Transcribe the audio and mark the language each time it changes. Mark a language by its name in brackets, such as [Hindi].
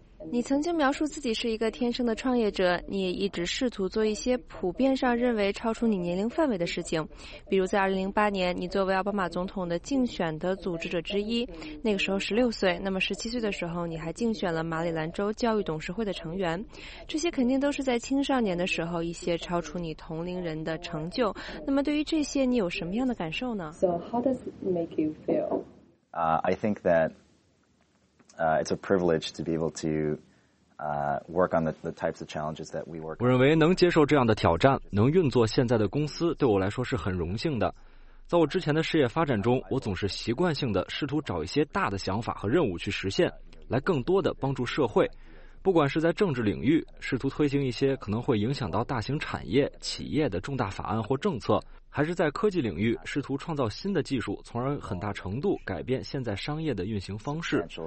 [Chinese] 你曾经描述自己是一个天生的创业者，你也一直试图做一些普遍上认为超出你年龄范围的事情，比如在2008年你作为奥巴马总统的竞选的组织者之一，那个时候16岁，那么17岁的时候你还竞选了马里兰州教育董事会的成员，这些肯定都是在青少年的时候一些超出你同龄人的成就，那么对于这些你有什么样的感受呢？ [English] So how does it make you feel? I think thatit's a privilege to be able to work on the types of challenges that we work on. [Chinese] 我认为能接受这样的挑战，能运作现在的公司，对我来说是很荣幸的。在我之前的事业发展中，我总是习惯性的试图找一些大的想法和任务去实现，来更多的帮助社会。不管是在政治领域，试图推行一些可能会影响到大型产业、企业的重大法案或政策，还是在科技领域试图创造新的技术，从而很大程度改变现在商业的运行方式。